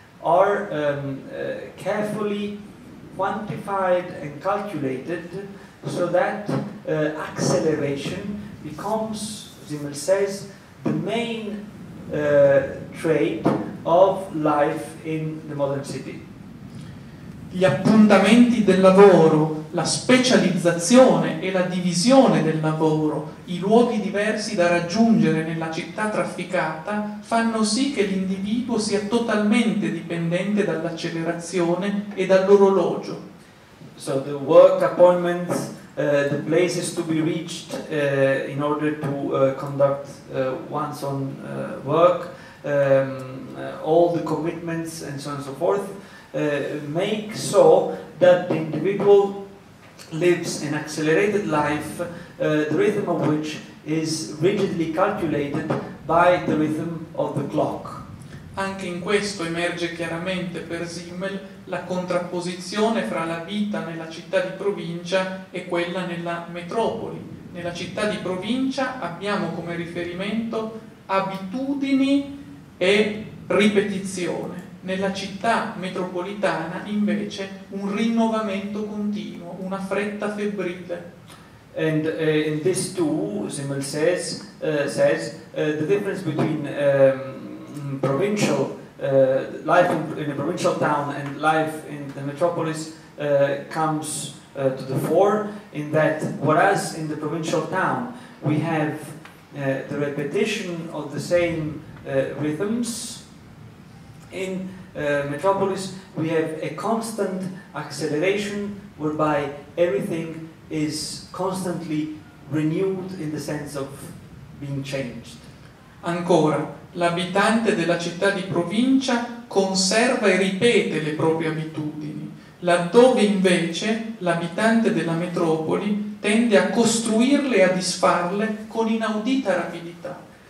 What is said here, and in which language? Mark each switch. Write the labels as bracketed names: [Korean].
[English] are carefully quantified and calculated so that acceleration becomes, Zimmel says, the main trait of life in the modern city. [Italian] Gli appuntamenti del lavoro, la specializzazione e la divisione del lavoro, i luoghi diversi da raggiungere nella città trafficata, fanno sì che l'individuo sia totalmente dipendente dall'accelerazione e dall'orologio. [English] So the work appointments, the places to be reached in order to conduct one's own work, all the commitments and so on and so forth, make so that the individual lives an accelerated life, the rhythm of which is rigidly calculated by the rhythm of the clock. [Italian] Anche in questo emerge chiaramente per Zimmel la contrapposizione fra la vita nella città di provincia e quella nella metropoli. Nella città di provincia abbiamo come riferimento abitudini e ripetizione. Nella città metropolitana invece un rinnovamento continuo, una fretta febbrile. [English] And in this too, Zimmel says, the difference between provincial life in a provincial town and life in the metropolis comes to the fore, in that whereas in the provincial town we have the repetition of the same rhythms, in metropolis we have a constant acceleration whereby everything is constantly renewed in the sense of being changed. [Italian] Ancora, l'abitante della città di provincia conserva e ripete le proprie abitudini, laddove invece l'abitante della metropoli tende a costruirle e a disfarle con inaudita rapidità.